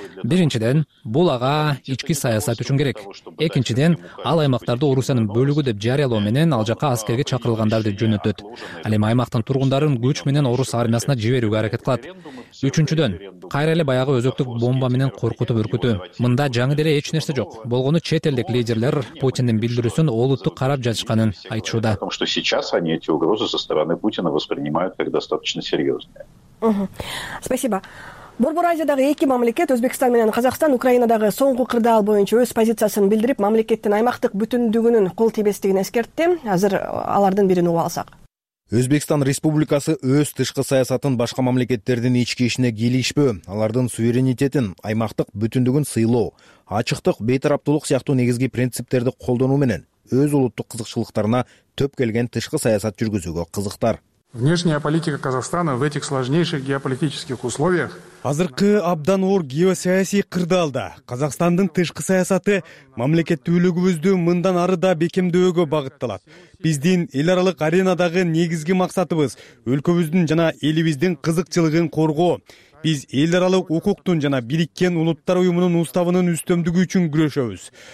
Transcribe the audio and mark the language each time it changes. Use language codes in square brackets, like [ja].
[ky] Биринчиден, бул ага ички саясат үчүн керек. Экинчиден, ал аймактарды Орусиянын бөлүгү деп жарыялоо менен ал жака аскерге чакырылгандарды жөнөтөт. Ал эми аймактын тургундарын күч менен орус армиясына жиберүүгө аракет кылат. Үчүнчүдөн, кайра эле баягы өзөктүк бомба менен коркутуп үркүтүү. Мында жаңы деле эч нерсе жок. Болгону чет элдик лидерлер Путиндин билдирүүсүн олуттук карап жатышканын айтышууда. [ru] Потому что сейчас они эти угрозы со стороны Путина воспринимают как достаточно серьезные. Спасибо. [ky] Борбор Азиядагы эки мамлекет, Өзбекстан менен Казакстан, Украинадагы соңку кырдаал боюнча өз позициясын билдирип, мамлекеттин аймактык бүтүндүгүнүн кол тийбестигин эскертти. Азыр алардын бирин угуп алсак. Өзбекстан Республикасы өз тышкы саясатын башка мамлекеттердин ички ишине кийлигишпөө, алардын суверенитетин, аймактык бүтүндүгүн сыйлоо, ачыктык, бейтараптуулук сыяктуу негизги принциптерди колдонуу менен өз улуттук кызыкчылыктарына төп келген тышкы саясат жүргүзүүгө кызыктар. [ru] Внешняя политика Казахстана в этих сложнейших геополитических условиях. [ky] Азыркы абдан оор геосаясий кырдаалда Казахстандын тышкы саясаты мамлекеттүүлүгүбүздү мындан ары да бекемдөөгө багытталат. Биздин эл аралык аренадагы негизги максатыбыз өлкөбүздүн жана элибиздин кызыкчылыгын коргоо. Биз эл аралык укуктун жана Бириккен Улуттар Уюмунун уставынын үстөмдүгү үчүн күрөшөбүз.